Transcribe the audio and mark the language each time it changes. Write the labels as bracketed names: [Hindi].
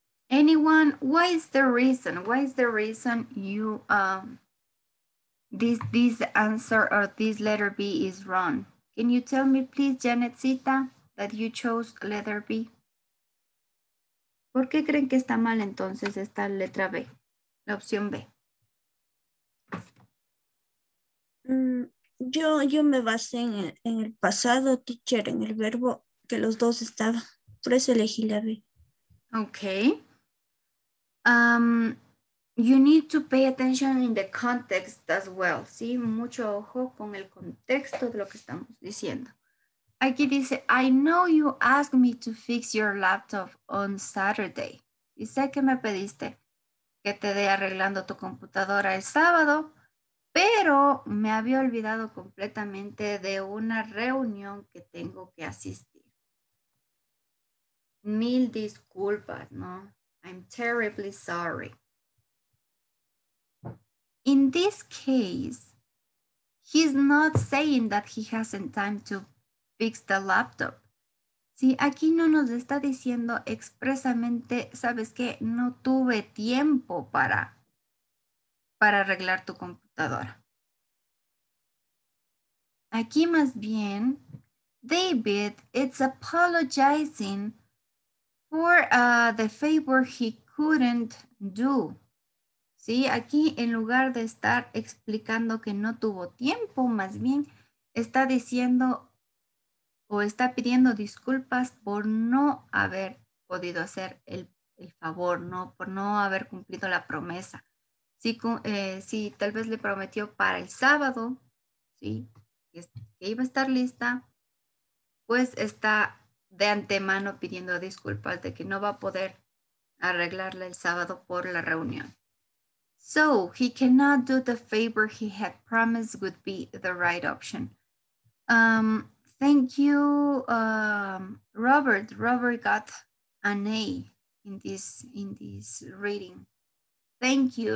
[English] Anyone, what is the reason? Why is the reason you this answer or this letter B is wrong? Can you tell me, please, Janetcita, that you chose letter B? [Spanish] ¿Por qué creen que está mal entonces esta letra B? La opción B. Yo me basé en el pasado, teacher, en el verbo que los dos estaban. Por eso elegí la B. [English] Ok. You need to pay attention in the context as well. [Spanish] ¿Sí? Mucho ojo con el contexto de lo que estamos diciendo. Aquí dice, [English] I know you asked me to fix your laptop on Saturday. [Spanish] Y sé que me pediste que te dé arreglando tu computadora el sábado, pero me había olvidado completamente de una reunión que tengo que asistir. Mil disculpas, ¿no? [English] I'm terribly sorry. In this case, he's not saying that he hasn't time to fix the laptop. [Spanish] Sí, aquí no nos está diciendo expresamente, ¿sabes qué? No tuve tiempo para arreglar tu computadora. Aquí más bien, [English] David is apologizing for the favor he couldn't do. [Spanish] Sí, aquí en lugar de estar explicando que no tuvo tiempo, más bien está diciendo o está pidiendo disculpas por no haber podido hacer el favor, ¿no? Por no haber cumplido la promesa. Sí, sí, tal vez le prometió para el sábado, ¿sí? Que iba a estar lista, pues está de antemano pidiendo disculpas de que no va a poder arreglarla el sábado por la reunión. [English] So, he cannot do the favor he had promised would be the right option. Thank you, Robert. Robert got an A in this reading. Thank you.